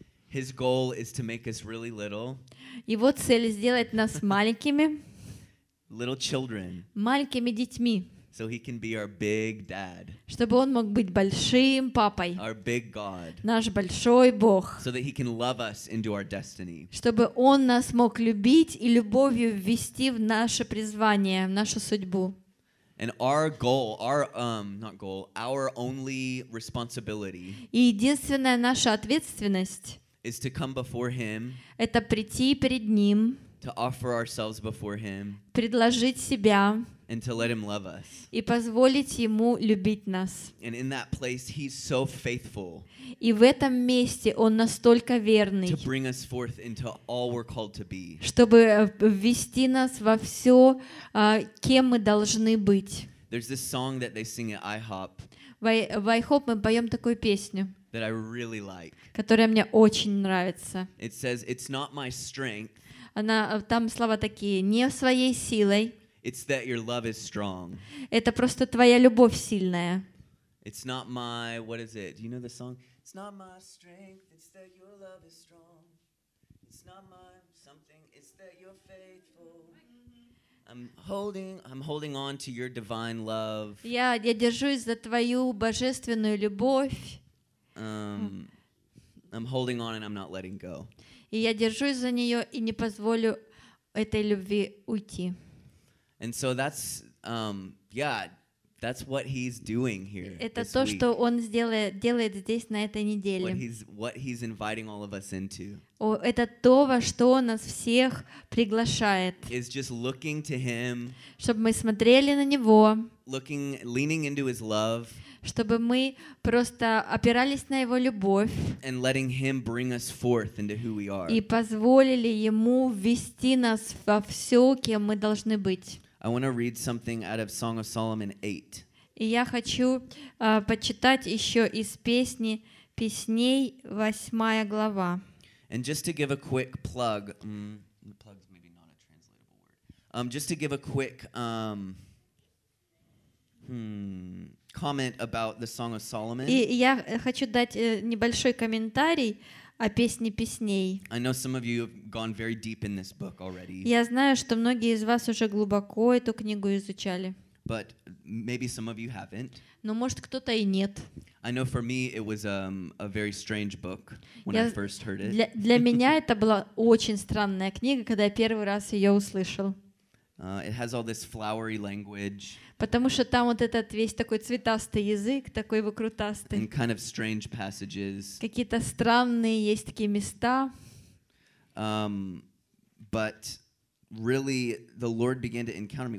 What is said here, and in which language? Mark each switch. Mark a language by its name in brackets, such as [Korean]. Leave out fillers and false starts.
[English] His goal is to make us really little. [Russian] Его цель сделать нас маленькими. [English] Little children. [Russian] Маленькими детьми. [English] So he can be our big dad. [Russian] Чтобы он мог быть большим папой. [English] Our big God. [Russian] Наш большой Бог. [English] So that he can love us into our destiny. [Russian] Чтобы он нас мог любить и любовью ввести в наше призвание, в нашу судьбу. [English] And our goal, our not goal, our only responsibility. [Russian] И единственная наша ответственность. [English] Is to come before him. [Russian] Это прийти перед ним. [English] To offer ourselves before him. [Russian] Предложить себя. [English] And to let him love us. [Russian] И позволить ему любить нас. [English] And in that place, he's so faithful. [Russian] И в этом месте он настолько верный. [English] To bring us forth into all we're called to be. [Russian] Чтобы ввести нас во все, кем мы должны быть. [English] There's this song that they sing at IHOP. [Russian] В IHOP мы поем такую песню. [English] That I really like. [Russian] Которая мне очень нравится. [English] It says, it's not my strength. [Russian] Она, там слова такие: не своей силой. [English] It's that your love is strong. [Russian] Это просто твоя любовь сильная. [English] It's not my, what is it? Do you know the song? It's not my strength, it's that your love is strong. It's not my something, it's that you're faithful. I'm holding on to your divine love. [Russian] Я держусь за твою божественную любовь. [English] I'm holding on and I'm not letting go. [Russian] И я держусь за нее и не позволю этой любви уйти. [English] And so that's, that's what he's doing here. [Russian] Это то, что он делает здесь на этой неделе. [English] What he's inviting all of us into. [Russian] Это то, во что он нас всех приглашает. [English] Is just looking to him. [Russian] Чтобы мы смотрели на него. [English] Looking, leaning into his love. [Russian] Чтобы мы просто опирались на его любовь. [English] And letting him bring us forth into who we are. [Russian] И позволили ему ввести нас во все, кем мы должны быть. [English] I want to read something out of Song of Solomon 8. [Russian] И я хочу почитать еще из песни Песней 8 глава. [English] And just to give a quick plug, plug's maybe not a translatable word. Just to give a quick comment about the Song of Solomon. [Russian] И я хочу дать небольшой комментарий о песне Песней. [English] I know some of you have gone very deep in this book already. [Russian] Я знаю, что многие из вас уже глубоко эту книгу изучали. [English] But maybe some of you haven't. [Russian] Но может кто-то и нет. [English] I know for me it was a very strange book when I first heard it. [Russian] Для меня это была очень странная книга, когда я первый раз ее услышал. [English] It has all this flowery language. [Russian] Потому что там вот этот весь такой цветастый язык, такой выкрутастый. [English] And kind of strange passages. [Russian] Какие-то странные есть такие места. [English] But really, the Lord began to encounter me.